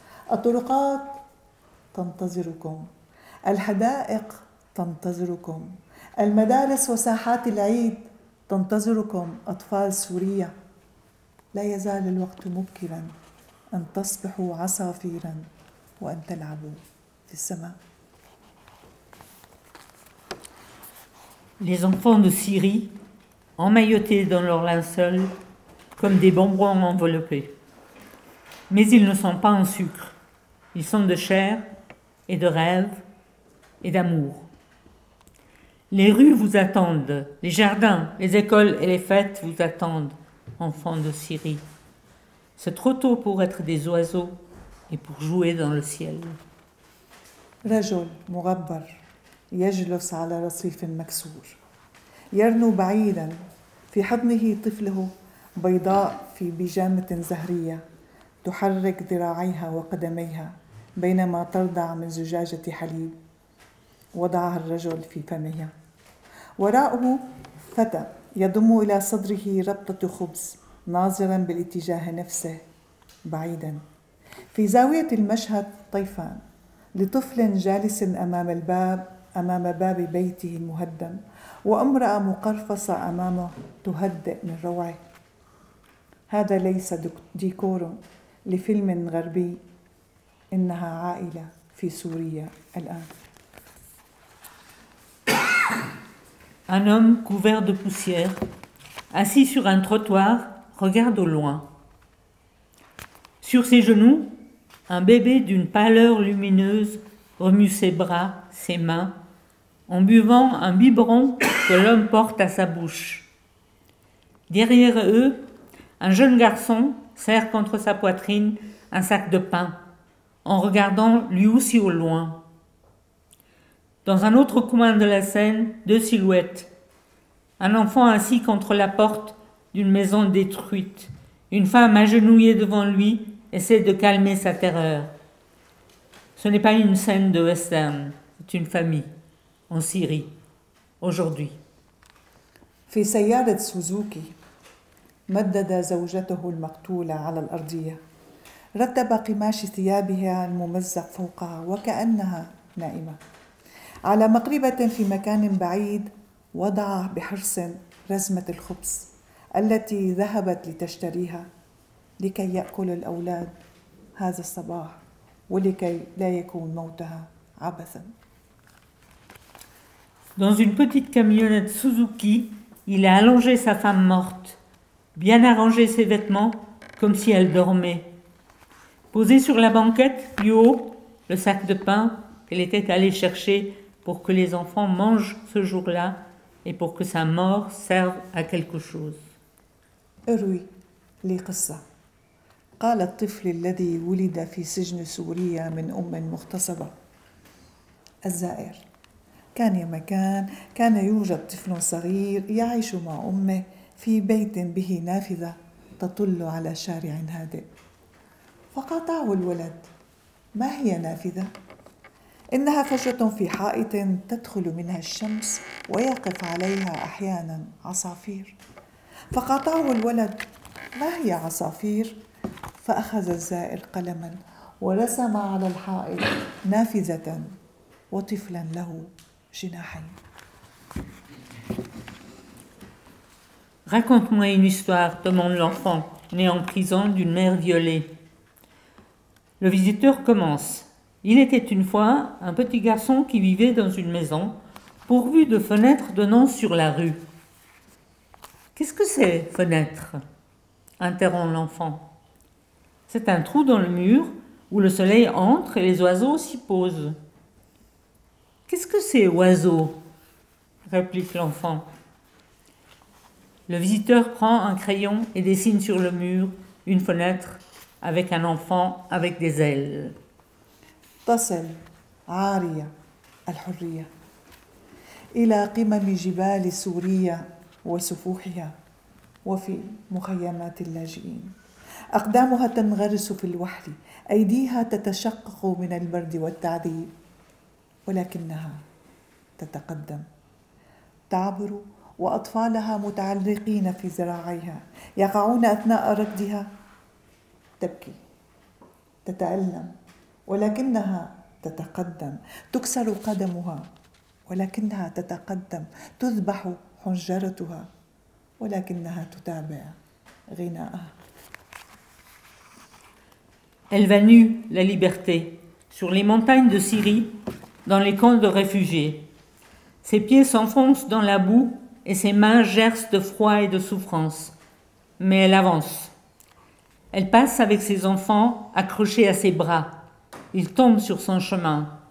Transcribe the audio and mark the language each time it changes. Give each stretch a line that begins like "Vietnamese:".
Arabic: Atulukat, تنتظركم الحدائق تنتظركم المدارس وساحات العيد تنتظركم أطفال سوريا لا يزال الوقت مبكرا أن تصبحوا عصافيرا وأن تلعبوا في السماء.
French: Les enfants de Syrie emmaillotés dans leur linceul comme des bonbons enveloppés, mais ils ne sont pas en sucre, ils sont de chair et de rêves et d'amour. Les rues vous attendent, les jardins, les écoles et les fêtes vous attendent, enfants de Syrie. C'est trop tôt pour être des oiseaux et pour jouer dans le ciel.
Arabic: رجل مغبر يجلس على رصيف مكسور يرنو بعيدا في حضنه طفله بيضاء في بيجامة زهرية تحرك ذراعيها وقدميها بينما ترضع من زجاجة حليب وضعها الرجل في فمها وراءه فتى يضم إلى صدره ربطة خبز ناظرا بالاتجاه نفسه بعيدا في زاوية المشهد طيفان لطفل جالس أمام باب بيته المهدم وامرأة مقرفصة أمامه تهدئ من روعه هذا ليس ديكور لفيلم غربي إنها عائلة في سوريا الآن.
French: Un homme couvert de poussière, assis sur un trottoir, regarde au loin. Sur ses genoux, un bébé d'une pâleur lumineuse remue ses bras, ses mains, en buvant un biberon que l'homme porte à sa bouche. Derrière eux, un jeune garçon serre contre sa poitrine un sac de pain, en regardant lui aussi au loin. Dans un autre coin de la scène, deux silhouettes. Un enfant assis contre la porte d'une maison détruite. Une femme agenouillée devant lui essaie de calmer sa terreur. Ce n'est pas une scène de western, c'est une famille. en Syrie, aujourd'hui.
Arabic: في سيارة سوزوكي مدد زوجته المقتولة على الأرضية. رتب قماش ثيابها الممزق فوقها وكأنها نائمة. على مقربة في مكان بعيد وضع بحرص رزمة الخبز التي ذهبت لتشتريها لكي يأكل الأولاد هذا الصباح ولكي لا يكون موتها عبثا.
French: Dans une petite camionnette Suzuki, il a allongé sa femme morte, bien arrangé ses vêtements comme si elle dormait. Posé sur la banquette, plus haut, le sac de pain qu'elle était allée chercher pour que les enfants mangent ce jour-là et pour que sa mort serve à quelque chose. Oui, les قصه.
Arabic: قال الطفل الذي ولد في سجن سوريا من ام مغتصبه الزائر. كان يا مكان كان يوجد طفل صغير يعيش مع امه في بيت به نافذه تطل على شارع هادئ. فقاطعه الولد: ما هي نافذة؟ إنها فشة في حائط تدخل منها الشمس ويقف عليها أحيانا عصافير. فقاطعه الولد: ما هي عصافير؟ فأخذ الزائر قلما ورسم على الحائط نافذة وطفلا له جناحين.
French: Raconte-moi une histoire, demande l'enfant, né en prison d'une mère violée. Le visiteur commence. Il était une fois un petit garçon qui vivait dans une maison pourvue de fenêtres donnant sur la rue. Qu'est-ce que c'est, fenêtre ? Interrompt l'enfant. C'est un trou dans le mur où le soleil entre et les oiseaux s'y posent. Qu'est-ce que c'est, oiseau ? Réplique l'enfant. Le visiteur prend un crayon et dessine sur le mur une fenêtre avec un enfant avec des ailes.
Arabic: تصل عارية الحرية إلى قمم جبال سوريا وسفوحها وفي مخيمات اللاجئين. أقدامها تنغرس في الوحل، أيديها تتشقق من البرد والتعذيب، ولكنها تتقدم. تعبر وأطفالها متعلقين في ذراعيها، يقعون أثناء ركضها تبكي تتألم ولكنها تتقدم. تكسر قدمها ولكنها تتقدم. تذبح حنجرتها ولكنها تتابع غناءها.
French: Elle va nue, la liberté, sur les montagnes de Syrie, dans les camps de réfugiés. Ses pieds s'enfoncent dans la boue et ses mains gercent de froid et de souffrance. Mais elle avance. Elle passe avec ses enfants accrochés à ses bras. Ils tombent sur son chemin.